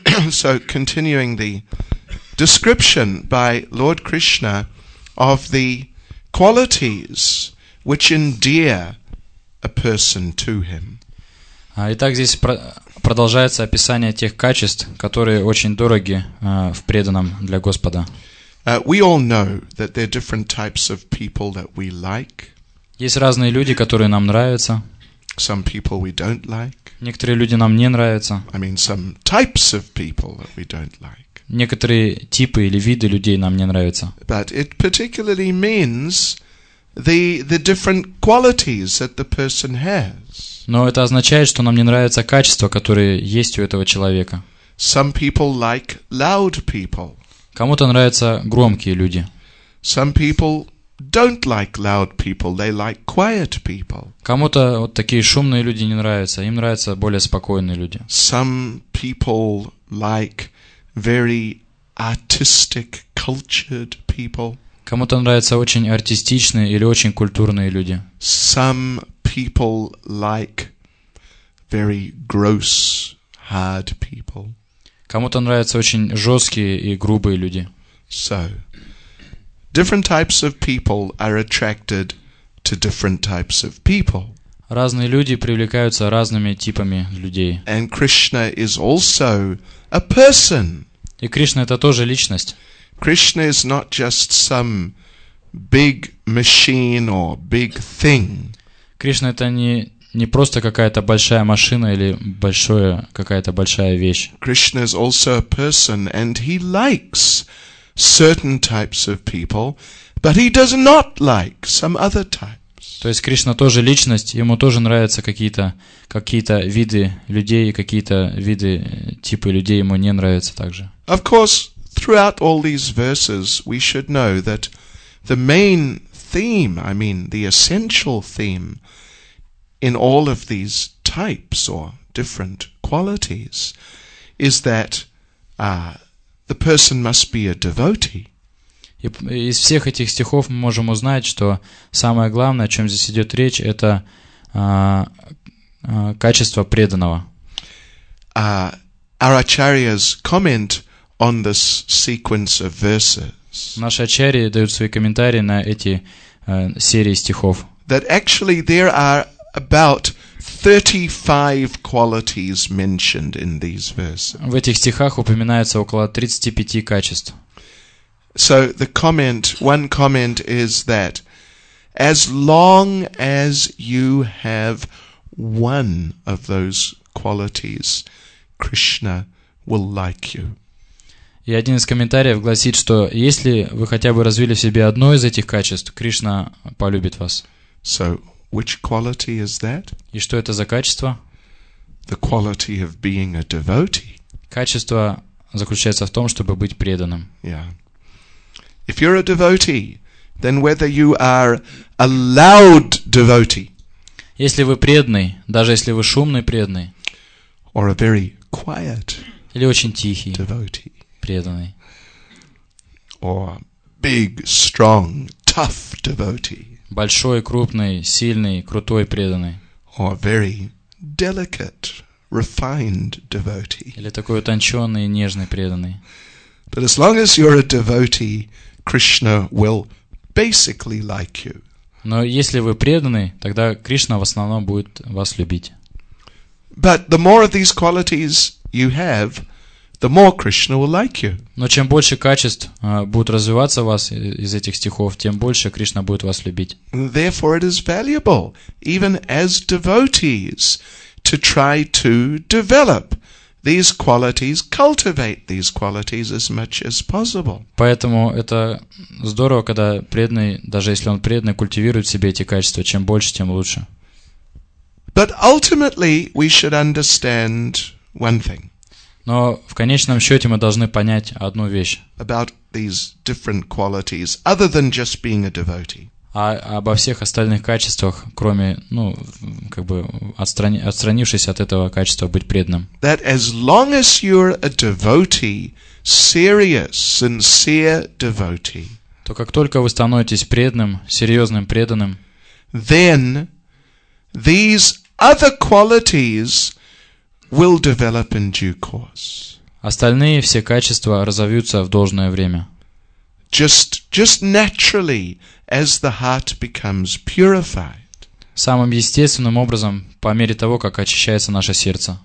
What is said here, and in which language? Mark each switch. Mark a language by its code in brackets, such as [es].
[en] So continuing the description by Lord Krishna of the qualities which endear a person to him. [ru] Итак, здесь продолжается описание тех качеств, которые очень дороги в преданном для Господа. [en] We all know that there are different types of people that we like. [ru] Есть разные люди, которые нам нравятся. [en] Some people we don't like. [ru] Некоторые люди нам не нравятся. [en] I mean, some types of people that we don't like. [ru] Некоторые типы или виды людей нам не нравятся. [en] But it particularly means the different qualities that the person has. [ru] Но это означает, что нам не нравятся качества, которые есть у этого человека. [en] Some people like loud people. [ru] Кому-то нравятся громкие люди. [en] Some people don't like loud people, they like quiet people. [ru] Кому-то вот такие шумные люди не нравятся, им нравятся более спокойные люди. [en] Some people like very artistic, cultured people. [ru] Кому-то нравятся очень артистичные или очень культурные люди. [en] Some people like very gross, hard people. [ru] Кому-то нравятся очень жесткие и грубые люди. [en] So, different types of people are attracted to different types of people. [ru] Разные люди привлекаются разными типами людей. [en] And Krishna is also a person. [ru] И Кришна это тоже личность. [en] Krishna is not just some big machine or big thing. [ru] Кришна это не просто какая-то большая машина или большое какая-то большая вещь. [en] Krishna is also a person, and he likes certain types of people, but he does not like some other types. [ru] То есть Кришна тоже личность, ему тоже нравятся какие-то виды людей, какие-то виды типы людей ему не нравятся также. [en] Of course, throughout all these verses, we should know that the main theme, I mean, the essential theme in all of these types or different qualities is that the person must be a devotee. [ru] Из всех этих стихов мы можем узнать, что самое главное, о чем здесь идет речь, это качество преданного. [en] Our acharyas comment on this sequence of verses. [ru] Наши ачарьи дают свои комментарии на эти серии стихов. [en] That actually there are about 35 qualities mentioned in these verses. [ru] В этих стихах упоминается около 35 качеств. [en] So the comment, one comment is that as long as you have one of those qualities, Krishna will like you. [ru] И один из комментариев гласит, что если вы хотя бы развили в себе одно из этих качеств, Кришна полюбит вас. [en] So which quality is that? [ru] И что это за качество? [en] The quality of being a devotee. [ru] Качество заключается в том, чтобы быть преданным. [en] Yeah. If you're a devotee, then whether you are a loud devotee. [ru] Если вы преданный, даже если вы шумный преданный. [en] Or a very quiet. [ru] Или очень тихий. [en] Devotee. [ru] Преданный. [en] Or a big, strong, tough devotee. [ru] Большой, крупный, сильный, крутой, преданный. [en] Or very delicate, refined devotee. [ru] Или такой утонченный, нежный, преданный. [en] But as long as you're a devotee, Krishna will basically like you. [ru] Но если вы преданный, тогда Кришна в основном будет вас любить. [en] But the more of these qualities you have, the more Krishna will like you. [ru] Но чем больше качеств будут развиваться у вас из этих стихов, тем больше Кришна будет вас любить. [en] Therefore, it is valuable, even as devotees, to try to develop these qualities, cultivate these qualities as much as possible. [ru] Поэтому это здорово, когда преданный, даже если он преданный, культивирует в себе эти качества. Чем больше, тем лучше. [en] But ultimately, we should understand one thing. [ru] Но в конечном счете мы должны понять одну вещь. [en] About these different qualities, other than just being a devotee. [ru] А обо всех остальных качествах, кроме, ну, как бы отстранившись от этого качества быть преданным. [en] That as long as you're a devotee, serious, sincere devotee. [ru] То как только вы становитесь преданным, серьезным преданным. [en] Then these other qualities will develop in due course. [ru] Остальные все качества разовьются в должное время. [en] Just naturally, as the heart becomes purified. [ru] самым естественным образом, по мере того, как очищается наше сердце.